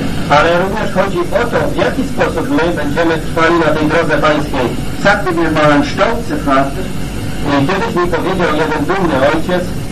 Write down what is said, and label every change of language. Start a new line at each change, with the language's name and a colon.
Polish: Ale również chodzi o to, w jaki sposób my będziemy trwali na tej drodze pańskiej.
German: Sagte mir mal ein stolzer Vater.
Polish: Kiedyś mi powiedział jeden dumny ojciec.